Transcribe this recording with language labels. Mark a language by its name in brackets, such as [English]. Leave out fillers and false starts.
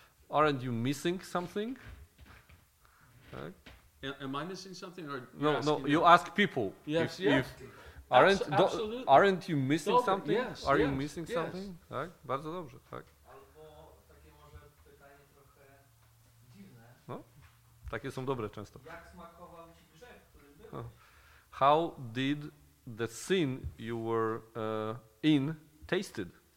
[English] Aren't you missing something? [Polish] Tak. [English] Am I missing something? Or no, no. You ask people. Yes, if, yes. If aren't, absolutely. Aren't you missing something? Yes, are you missing something? Yes. [Polish] Tak? Bardzo dobrze. Tak. Albo takie może pytanie trochę dziwne. No, takie są dobre często. Jak smakował ci grzech, który był? [English] How did the sin you were in tasted?